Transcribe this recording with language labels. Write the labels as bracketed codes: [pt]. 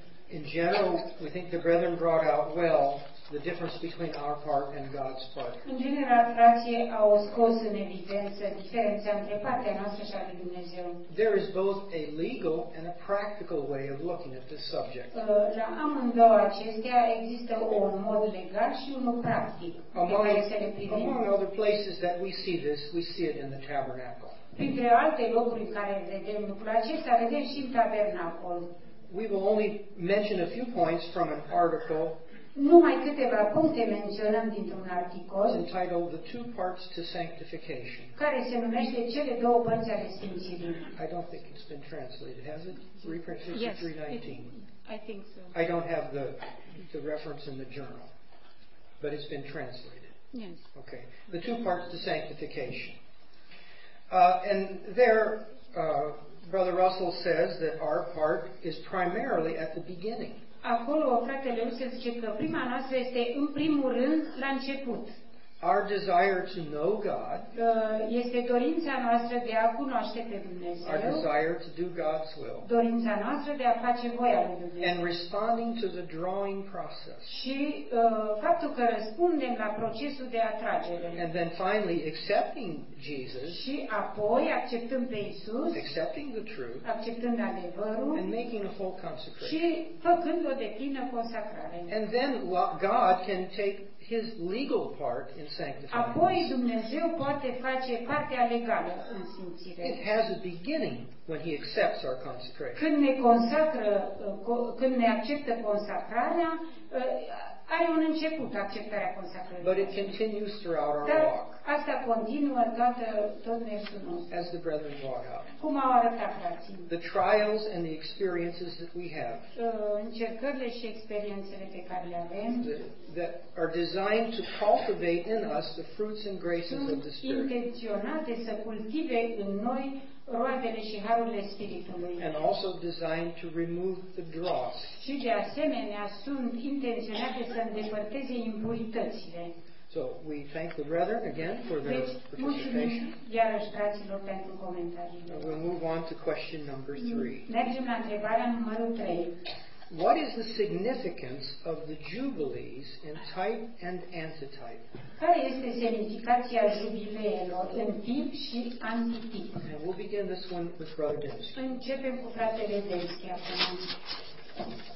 [en] In general, we think the brethren brought out well the difference between our part and God's part. [ro] În general, frații au scos în evidență diferența între partea noastră și a lui Dumnezeu. [en] There is both a legal and a practical way of looking at this subject. [ro] La amândouă acestea există un mod legal și unul practic. [en] Among other places that we see this, we see it in the tabernacle. [ro] Printre alte locuri în care vedem lucrul acesta, vedem și în tabernacol. [en] We will only mention a few points from an article. [ro] Numai câteva puncte menționăm dintr-un articol [en] entitled The Two Parts to Sanctification. [ro] Care se numește Cele două părți ale sfințirii. [en] I don't think it's been translated, has it? Reprint 63:19. Yes, I think so. I don't have the reference in the journal, but it's been translated. Yes. Okay. The Two Parts to Sanctification. And there, Brother Russell says that our part is primarily at the beginning. [ro] Acolo, fratele Russell zice că prima noastră este în primul rând la început. [en] Our desire to know God. [ro] Este dorința noastră de a cunoaște pe Dumnezeu. [en] Our desire to do God's will. [ro] Dorința noastră de a face voia lui Dumnezeu. [en] And responding to the drawing process. [ro] Și faptul că răspundem la procesul de atragere. [en] And then finally accepting Jesus. [ro] Și apoi acceptăm pe Isus. [en] Accepting the truth. [ro] Acceptând adevărul. [en] And making a full consecration. [ro] Și făcând o deplină consacrare. [en] And then God can take His legal part in sanctification. [ro] Apoi Dumnezeu poate face partea legală în sfințire. [en] It has a beginning when He accepts our consecration. [ro] Când ne consacră, când ne acceptă consacrarea, ai un început acceptarea consacrării. [en] But it continues throughout our walk. [ro] Asta continuă tot mersul nostru. [en] As the brethren walk out. [ro] Cum au arătat frații. [en] The trials and the experiences that we have. [ro] Încercările și experiențele pe care le avem. [en] That are designed to cultivate in us the fruits and graces of the Spirit. [ro] Intenționate să cultive în noi roadele și harurile Spiritului. [en] And also designed to remove the dross. [ro] Și de asemenea sunt intenționate să îndepărteze impuritățile. [en] So we thank the brethren again for their participation. We'll move on to question number 3. What is the significance of the jubilees in type and antitype? [ro] Care este semnificația jubileelor în tip și antitip? [en] And we'll begin this one with Brother Dennis. [ro] Începem cu fratele Dennis acum.